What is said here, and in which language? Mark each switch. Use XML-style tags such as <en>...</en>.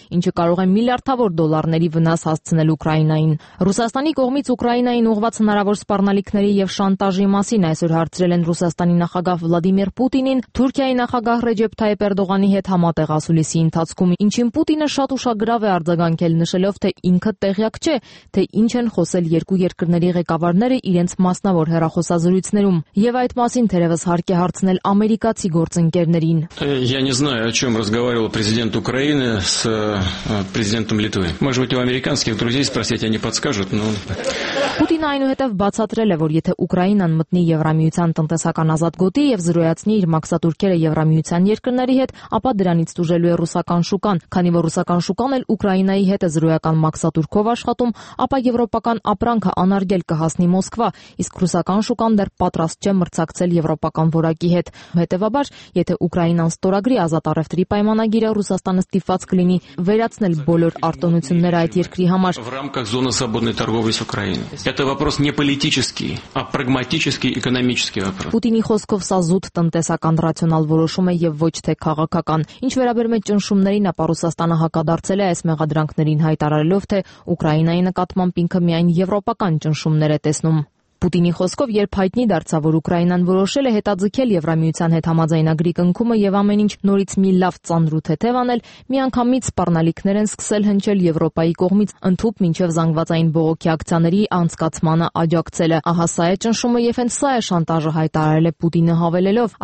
<hy>ինչը կարող է միլիարդավոր դոլարների վնաս հասցնել Ուկրաինային։ Ռուսաստանի կողմից Ուկրաինային ուղված հնարավոր սպառնալիքների եւ շանտաժի մասին այսօր հարցրել են Ռուսաստանի նախագահ Վլադիմիր Պուտինին, Թուրքիայի նախագահ Ռեջեփ Թայեփ Էրդողանի հետ համատեղ ասուլիսի ընթացքում, ինչին Պուտինը շատ ուշագրավ է արձագանքել, նշելով թե ինքը տեղյակ չէ, թե ինչ են խոսել երկու երկրների ղեկավարները իրենց մասնավոր հեռախոսազրույցներում, եւ այդ մասին թերևս հարկ է հարցնել ամերիկացի գործընկերներին։</hy> <ru>Я не знаю, о чём разговаривал президент Украины с президентом Литвы. Может быть, у американских друзей спросить, они скажут, но</ru> <hy>Պուտինը այնուհետև բացատրել է, որ եթե Ուկրաինան մտնի Եվրամիության տնտեսական ազատ գոտի եւ զրոյացնի իր մաքսատուրքերը Եվրամիության երկրների հետ, ապա դրանից տուժելու է ռուսական շուկան, քանի որ ռուսական շուկան էլ Ուկրաինայի հետ է զրոյական մաքսատուրքով աշխատում, ապա եվրոպական ապրանքը անարգել կհասնի Մոսկվա, իսկ ռուսական շուկան դեռ պատրաստ չէ մրցակցել եվրոպական որակի հետ։ Հետևաբար, եթե Ուկրաինան ստորագրի ազատ առևտրի պայմանագիրը, Ռուսաստանը ստիպված կլինի վերացնել բոլոր արտոնությունները այդ երկրի համար։</hy> <ru>Зона свободной торговли с Украиной. Это вопрос не политический, а прагматический, экономический вопрос.</ru> <hy>Путини խոսքով սա զուտ տնտեսական ռացիոնալ որոշում է եւ ոչ թե քաղաքական։ Ինչ վերաբերում է ճնշումներին, ապա Ռուսաստանը հակադարձել է այս մեղադրանքներին, հայտարարելով թե Ուկրաինայի նկատմամբ ինքը միայն եվրոպական ճնշումներ է տեսնում։ Պուտինի խոսքով, երբ հայտնի դարձավ, որ Ուկրաինան որոշել է հետաձգել Եվրամիության հետ համաձայնագրի կնքումը եւ ամեն ինչ նորից մի լավ ծանրու թեթև անել, միանգամից սպառնալիքներ են սկսել հնչել Եվրոպայի կողմից, ընդհուպ մինչև զանգվածային բողոքի ակցիաների անցկացմանը աջակցելը։ Ահա սա է ճնշումը եւ հենց սա է շանտաժը, հայտարարել է Պուտինը հավելելով.</hy>